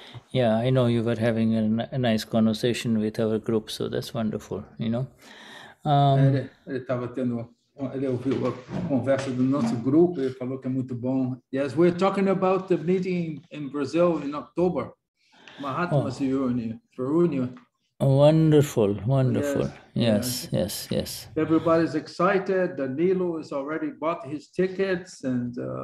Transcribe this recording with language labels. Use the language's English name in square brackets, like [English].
[English] Yeah, I know you were having a nice conversation with our group, so that's wonderful, you know. [Portuguese] Ele estava tendo, ele ouviu a conversa do nosso grupo, ele falou que é muito bom. [English] Yes, we're talking about the meeting in Brazil in October. Mahatma's reunion. Wonderful, wonderful. Yes. Everybody's excited. Danilo has already bought his tickets and...